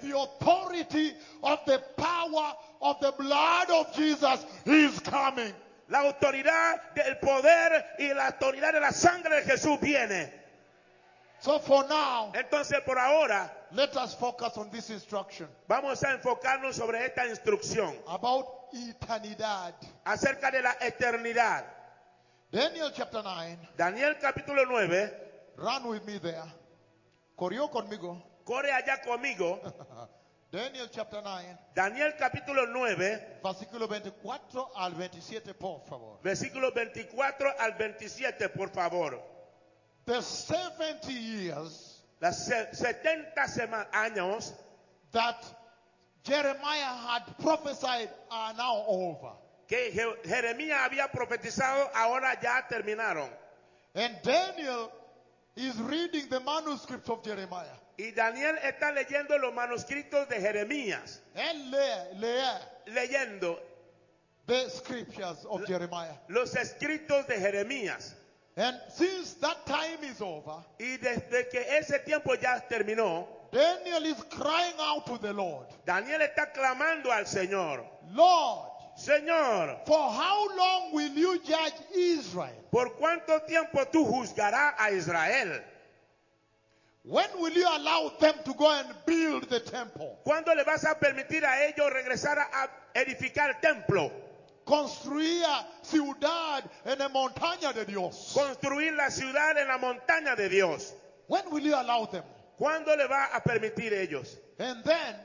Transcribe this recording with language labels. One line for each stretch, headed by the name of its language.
English: The authority of the power of the blood of Jesus is coming.
Spanish: La autoridad del poder y la autoridad de la sangre de Jesús viene.
English: So for now,
Spanish: entonces por ahora,
English: let us focus on this instruction.
Spanish: Vamos a enfocarnos sobre esta instrucción.
English: About eternidad.
Spanish: Acerca de la eternidad.
English: Daniel chapter 9.
Spanish: Daniel capítulo 9.
English: Run with me there.
Spanish: Corrió conmigo. Corre allá conmigo.
English: Daniel chapter 9.
Spanish: Daniel capítulo 9. Versículo 24 al 27, por favor. Versículo 24 al 27, por favor.
English: The 70 years.
Spanish: Las 70 años.
English: That Jeremiah had prophesied are now over.
Spanish: Que Jeremías había profetizado, ahora ya terminaron.
English: And Daniel is reading the manuscripts of Jeremiah.
Spanish: Y Daniel está leyendo los manuscritos de Jeremías. Él lee leyendo
English: the scriptures of Jeremiah.
Spanish: Los escritos de Jeremías.
English: And since that time is over,
Spanish: y desde que ese tiempo ya terminó,
English: Daniel is crying out to the Lord.
Spanish: Daniel está clamando al Señor.
English: Lord,
Spanish: Señor,
English: for how long will you judge Israel?
Spanish: ¿Por cuánto tiempo tú juzgarás a Israel?
English: When will you allow them to go and build the temple?
Spanish: ¿Cuándo le vas a permitir a ellos regresar a edificar el templo? Construir la ciudad en la montaña de Dios. Construir la ciudad en la montaña de Dios.
English: When will you allow them?
Spanish: ¿Cuándo le va a permitir ellos?
English: And then,